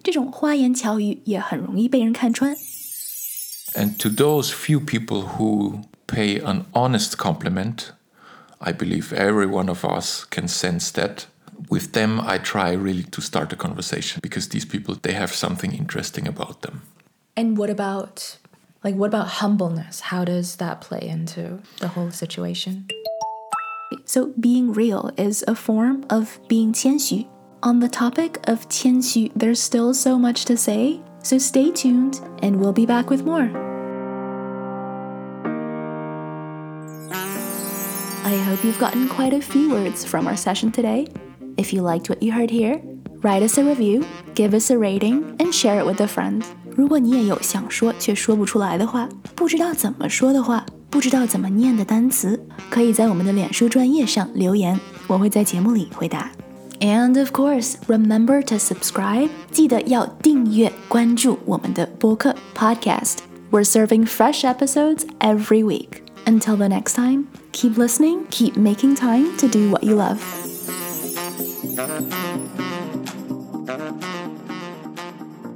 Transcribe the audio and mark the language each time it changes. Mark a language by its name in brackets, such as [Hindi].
[Chinese] 这种花言巧语也很容易被人看穿。 [English] And to those few people who pay an honest compliment,I believe every one of us can sense that. With them, I try really to start a conversation because these people, they have something interesting about them. And what about humbleness? How does that play into the whole situation? So being real is a form of being 谦虚. On the topic of 谦虚, there's still so much to say. So stay tuned and we'll be back with more. I hope you've gotten quite a few words from our session today. If you liked what you heard here, write us a review, give us a rating, and share it with a friend. [Chinese] 如果你也有想说却说不出来的话，不知道怎么说的话，不知道怎么念的单词，可以在我们的脸书专页上留言，我会在节目里回答。 [English] And of course, remember to subscribe. [Chinese] 记得要订阅关注我们的播客 [English] podcast. We're serving fresh episodes every week. Until the next time. Keep listening, keep making time to do what you love.